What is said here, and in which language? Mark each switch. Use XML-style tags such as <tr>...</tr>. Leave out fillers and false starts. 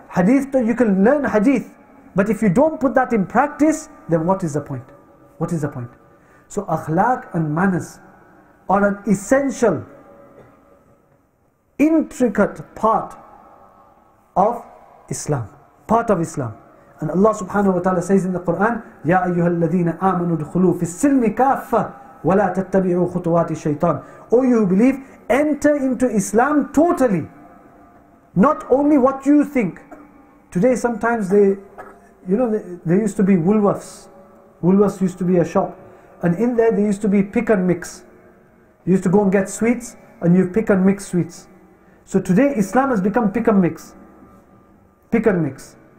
<en>Hadith, you can learn hadith, but if you don't put that in practice, then what is the point? What is the point? So akhlaq and manners are an essential, intricate part of Islam. Part of Islam. And Allah subhanahu wa ta'ala says in the Quran,</en> <ar>يَا أَيُّهَا الَّذِينَ آمَنُوا دُخُلُوا فِي السِّلْمِ كَافَّةِ وَلَا تَتَّبِعُوا خُطُوَاتِ الشَّيْطَانِ.</ar> <en>O you who believe, enter into Islam totally. Not only what you think. Today sometimes there used to be Woolworths. Woolworths used to be a shop. And in there used to be pick and mix. You used to go and get sweets and you pick and mix sweets. So today Islam has become pick and mix. Pick and mix.</en>